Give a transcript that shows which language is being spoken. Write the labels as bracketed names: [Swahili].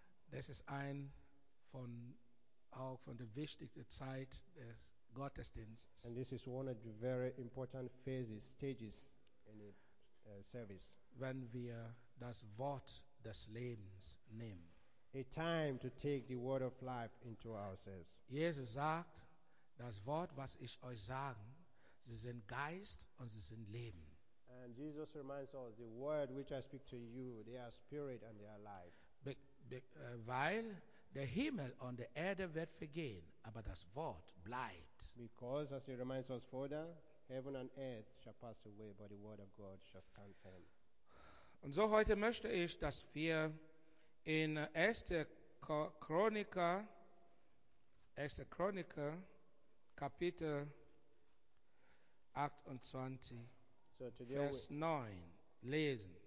[German] Das ist ein von auch von der wichtigsten Zeit des Gottesdienstes. [English] And this is one of the very important phases, stages in the service. [German] Wenn wir das Wort des Lebens nehmen. [English] A time to take the word of life into ourselves. [German] Jesus sagt, das Wort, was ich euch sage, sie sind Geist und sie sind Leben. [English] And Jesus reminds us, the word which I speak to you, they are spirit and they are life. [German] Weil der Himmel und der Erde wird vergehen, aber das Wort bleibt. [English] Because, as he reminds us further, heaven and earth shall pass away, but the word of God shall stand firm. [German] Und so heute möchte ich, dass wir in 1. Chroniker, Kapitel 28, so Vers 9, lesen.